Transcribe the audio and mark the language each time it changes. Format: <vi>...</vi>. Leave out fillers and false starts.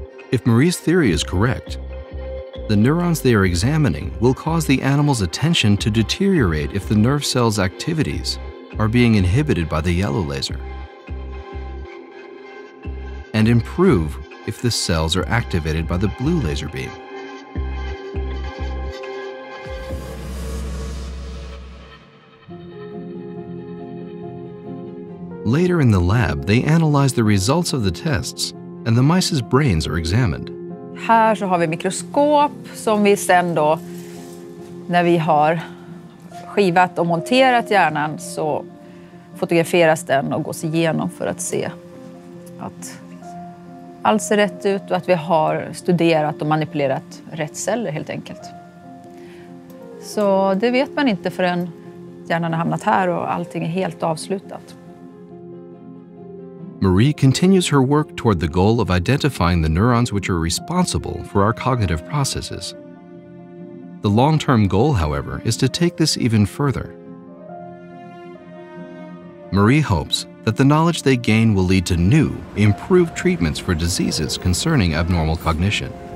<en>If Marie's theory is correct, the neurons they are examining will cause the animal's attention to deteriorate if the nerve cell's activities are being inhibited by the yellow laser, and improve if the cells are activated by the blue laser beam. Later in the lab, they analyze the results of the tests, and the mice's brains are examined.</en> <sv>Här så har vi mikroskop som vi sen då, när vi har skivat och monterat hjärnan, så fotograferas den och går igenom för att se att allt ser rätt ut och att vi har studerat och manipulerat rätt celler helt enkelt. Så det vet man inte förrän hjärnan har hamnat här och allting är helt avslutat.</sv> <en>Marie continues her work toward the goal of identifying the neurons which are responsible for our cognitive processes. The long-term goal, however, is to take this even further. Marie hopes that the knowledge they gain will lead to new, improved treatments for diseases concerning abnormal cognition.</en>